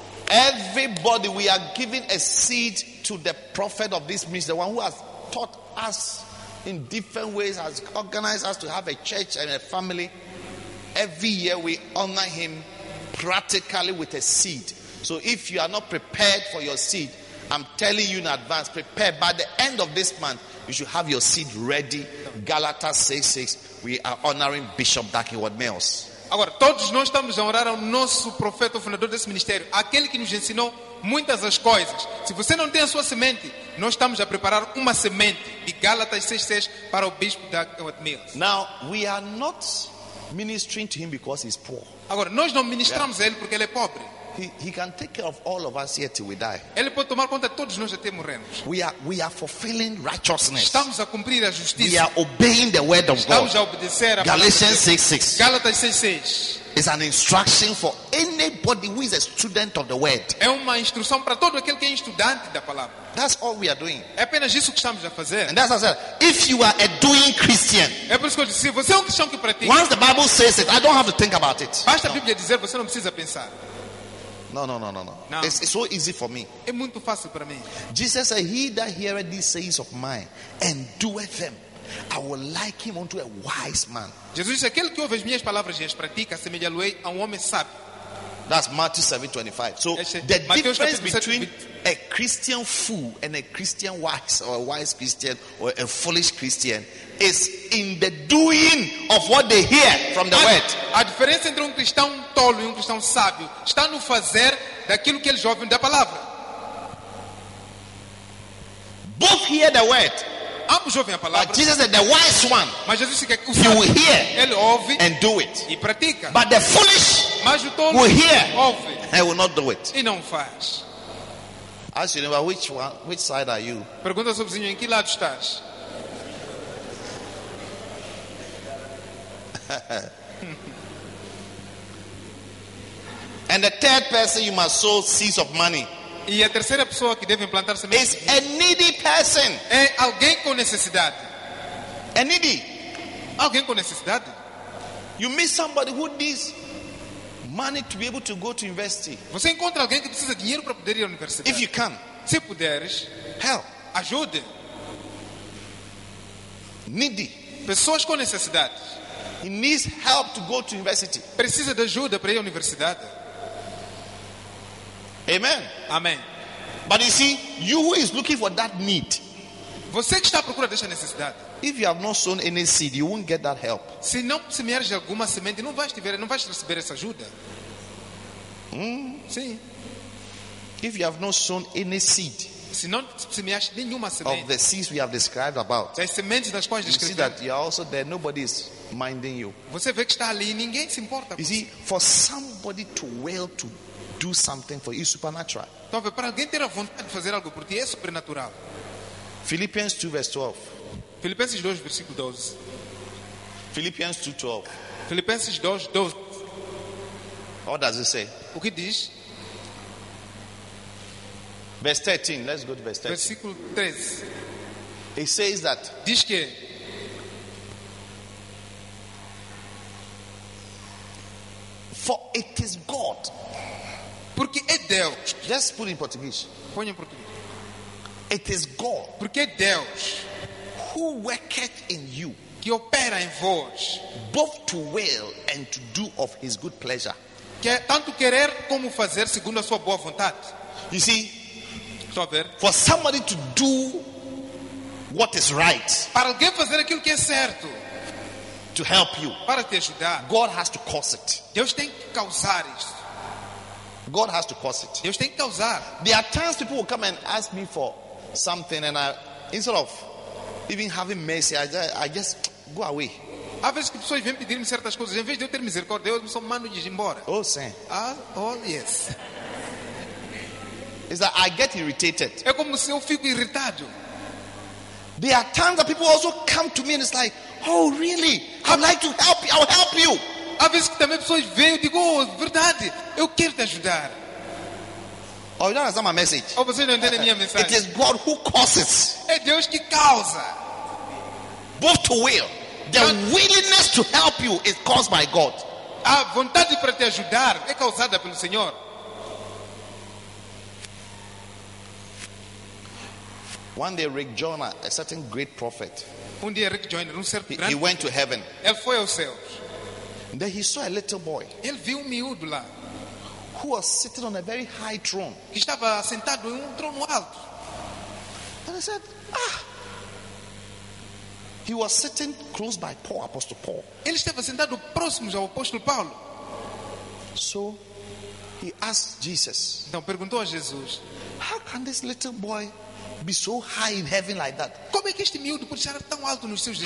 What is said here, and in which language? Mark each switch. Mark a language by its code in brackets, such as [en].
[en] Everybody, we are giving a seed to the prophet of this ministry, the one who has taught us in different ways, has organized us to have a church and a family. Every year we honor him practically with a seed. So if you are not prepared for your seed, I'm telling you in advance, prepare. By the end of this month, you should have your seed ready. Galatians 6:6. We are honoring Bishop Dakiwad Mills. [pt] Agora, todos nós estamos a orar ao nosso profeta, o fundador desse ministério, aquele que nos ensinou muitas as coisas. Se você não tem a sua semente, nós estamos a preparar uma semente de Gálatas 6:6 para o bispo Dakiwad Mills. [en] Now, we are not ministering to him because he's poor. [pt] Agora, nós não ministramos a ele porque ele é pobre. [en] He can take care of all of us here till we die. [pt] Ele pode tomar conta de todos nós até morrermos. [en] We are fulfilling righteousness. [pt] Estamos a cumprir a justiça. [en] We are obeying the word of [pt] Estamos [en] God. [pt] Estamos a obedecer a [en] Galatians 6:6. [pt] Galatas 6:6. [en] Is an instruction for anybody who is a student of the word. [pt] É uma instrução para todo aquele que é estudante da palavra. [en] That's all we are doing. [pt] É apenas isso que estamos a fazer. [en] And that's what I said. If you are a doing Christian, [pt] é por isso que eu disse, você é um cristão que pratica. [en] Once the Bible says it, I don't have to think about it. [pt] Basta a Bíblia dizer, você não precisa pensar. [en] No. It's so easy for me. [pt] É muito fácil para mim. [en] Jesus said, "He that heareth these sayings of mine and doeth them, I will liken him unto a wise man." [pt] Jesus disse, aquele que ouve as minhas palavras e as pratica, assemelha-lo-ei a um homem sábio. [en] That's Matthew 7:25. So the difference between a Christian fool and a Christian wise, or a wise Christian, or a foolish Christian, is in the doing of what they hear from the word. [pt] A diferença entre um cristão tolo e um cristão sábio está no fazer daquilo que eles ouvem da palavra. [en] Both hear the word. [pt] Ambos ouvem a palavra. [en] But Jesus said, the wise one, [pt] mas Jesus disse que o sábio, [en] will hear, [pt] ele ouve [en] and do it, [pt] e pratica. [en] But the foolish, [pt] mas o tolo, [en] will hear, [pt] ouve, [en] and will not do it, [pt] e não faz. [en] Ask you, neighbor, which one, which side are you? [pt] Pergunta ao seu vizinho, em que lado estás? [en] And the third person you must sow seeds of money. [pt] E a terceira pessoa que deve implantar semente [en] is a needy person. [pt] É alguém com necessidade. [en] A needy. [pt] Alguém com necessidade. [en] You meet somebody who needs money to be able to go to university. [pt] Você encontra alguém que precisa de dinheiro para poder ir à universidade. [en] If you can, [pt] se puderes, [en] help. [pt] Ajude. [en] Needy. [pt] Pessoas com necessidade. [en] He needs help to go to university. [pt] Precisa de ajuda para ir à universidade. [en] Amen. Amen. But you see, you who is looking for that need. [pt] Você que está à procura dessa necessidade. [en] If you have not sown any seed, you won't get that help. [pt] Se não semeares alguma semente, não vais receber essa ajuda. Sim. [en] If you have not sown any seed. [pt] Se não semeares nenhuma semente. [en] Of the seeds we have described about. [pt] Das sementes das quais descrevemos. [en] You see that you are also there. Nobody is minding you. [pt] Você vê que está ali e ninguém se importa. [en] You see, for somebody to will to do something for you, supernatural. [pt] Então, para alguém ter a vontade de fazer algo por ti, é sobrenatural. [en] Philippians 2, verse 12. [pt] Filipenses 2, versículo 12. [en] Philippians 2, 12. [pt] Filipenses 2, 12. [en] What does it say? [pt] O que diz? [en] Verse 13. Let's go to verse 13. [pt] Versículo 13. [en] It says that. [pt] Diz que. [en] For it is God. [pt] Porque é Deus. [en] Just put it in Portuguese. [pt] Põe em português. [en] It is God. [pt] Porque é Deus. [en] Who worketh in you? [pt] Que opera em vós. [en] Both to will and to do of his good pleasure. [pt] Que é tanto querer como fazer segundo a sua boa vontade. [en] You see? [pt] Só ver. [en] For somebody to do what is right. [pt] Para alguém fazer aquilo que é certo. [en] To help you. [pt] Para te ajudar. [en] God has to cause it. [pt] Deus tem que causar isso. [en] God has to cause it. [pt] Deus tem que causar. [en] There are times people will come and ask me for something, and I, instead of even having mercy, I just go away. [pt] Há vezes que pessoas vêm pedir-me certas coisas, em vez de eu ter misericórdia, eu só mando de ir embora. Oh, sim. [en] Ah, oh, yes. It's that I get irritated. [pt] É como se eu fico irritado. [en] There are times that people also come to me and it's like, oh, really? I'd like to help you. I'll help you. [pt] Há vezes que também pessoas vêm e digo, oh, verdade, eu quero te ajudar. [en] Oh, you don't understand my message. [pt] Oh, você não entende a minha mensagem. [en] It is God who causes. [pt] É Deus que causa. [en] Both to will. The willingness to help you is caused by God. [pt] A vontade para te ajudar é causada pelo Senhor. [en] One day Rick Joyner, a certain great prophet, [pt] um dia Rick Joyner, um certo grande, [en] he went to heaven. [pt] Ele foi ao céu. [en] And then he saw a little boy. [pt] Ele viu um miúdo lá. [en] Who was sitting on a very high throne. [pt] Que estava sentado em um trono alto. [en] And he said, ah. He was sitting close by Paul, Apostle Paul. [pt] Ele estava sentado próximo ao Apóstolo Paulo. [en] So, he asked Jesus. [pt] Então perguntou a Jesus. [en] How can this little boy be so high in heaven like that? [pt] Como é que este miúdo pode estar tão alto nos céus?